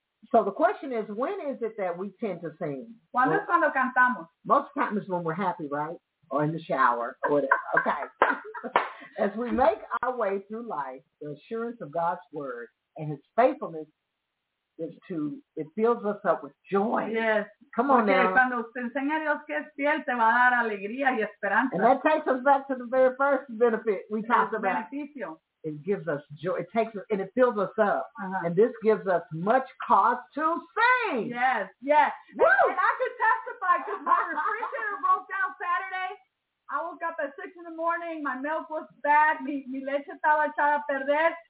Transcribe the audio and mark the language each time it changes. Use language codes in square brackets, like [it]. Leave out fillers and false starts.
[en] So the question is, when is it that we tend to sing? [es] ¿Cuándo es cuando cantamos? [en] Most times when we're happy, right? Or in the shower, or whatever. Okay. As we make our way through life, the assurance of God's word and his faithfulness it fills us up with joy. Yes. Come on now. [es] Cuando usted enseña a Dios que es fiel, te va a dar alegría y esperanza. [en] And that takes us back to the very first benefit we talked about. [es] Beneficio. [en] It gives us joy. And it fills us up. Uh-huh. And this gives us much cause to sing. Yes, yes. Woo! And I can testify because my refrigerator broke down Saturday. I woke up at 6 in the morning. My milk was bad. [es] Mi leche estaba echada a perder.